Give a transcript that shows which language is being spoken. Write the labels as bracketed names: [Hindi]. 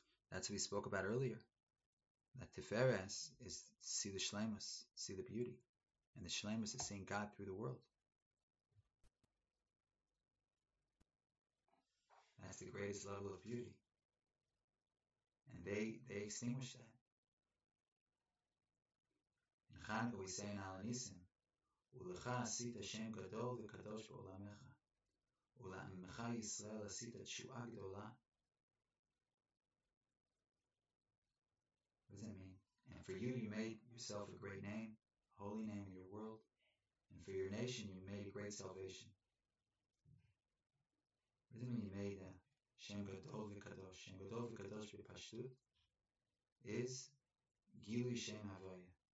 [English] That's what we spoke about earlier. That Tiferes is see the Shlemus, see the beauty. And the Shlemus is seeing God through the world. That's the greatest level of beauty. And they extinguish that. In Chanukah we say in Al Nisim, [Hebrew] ולכה עשית השם גדול וקדוש בעולמך, ולעמך ישראל עשית תשועה גדולה. [English] What does that mean? And for you, you made yourself a great name, a holy name in your world, and for your nation, you made a great salvation. What does it mean you made a Shem Gadol v'Kadosh? Shem Gadol v'Kadosh b'Pashtut is Gili Shem Havaya.